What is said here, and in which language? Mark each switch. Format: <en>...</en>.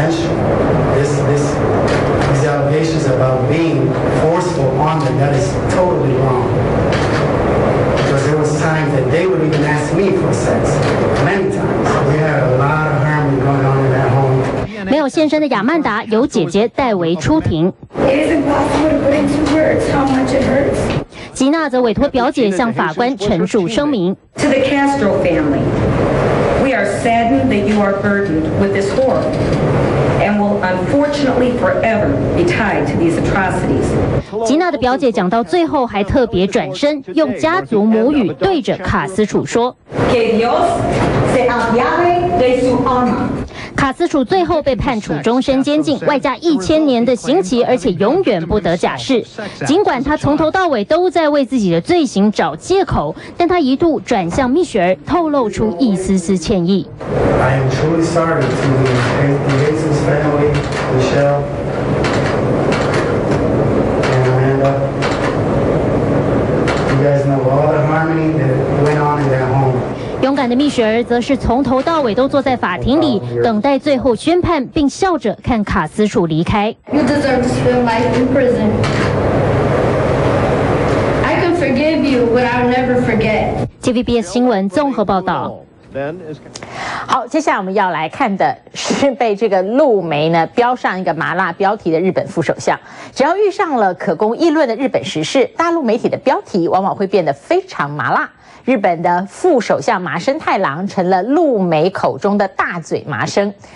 <en>Allegations about being forceful on them, that is totally wrong. Because there was times that they would even ask me for sex, many times. We had a lot of harm going on in that home.</en> <zh>没有现身的亚曼达由姐姐代为出庭。</zh> <en>It is impossible to put into words how much it hurts.</en> <zh>吉娜则委托表姐向法官陈述声明。</zh> <en>To the Castro family, we are saddened that you are burdened with this horror. Unfortunately, forever be tied to these atrocities.</en> <zh>吉娜的表姐讲到最后，还特别转身用家族母语对着卡斯楚说</zh> <es>：“Que Dios se apiade de su alma。”</es> <zh>卡斯楚最后被判处终身监禁，外加1000年的刑期，而且永远不得假释。尽管他从头到尾都在为自己的罪行找借口，但他一度转向蜜雪儿，透露出一丝丝歉意。</zh> <en>I am truly sorry to the Hazen's family, Michelle and Amanda. You guys know all the harmony that went on in that home.</en> <zh>勇敢的蜜雪儿则是从头到尾都坐在法庭里等待最后宣判，并笑着看卡斯楚离开。</zh> <en>You deserve to spend life in prison. I can forgive you, but I'll never forget.</en> <zh>TVBS 新闻综合报道。好，接下来我们要来看的是被这个路媒呢标上一个麻辣标题的日本副首相。只要遇上了可供议论的日本时事，大陆媒体的标题往往会变得非常麻辣。日本的副首相麻生太郎成了路媒口中的大嘴麻生。</zh>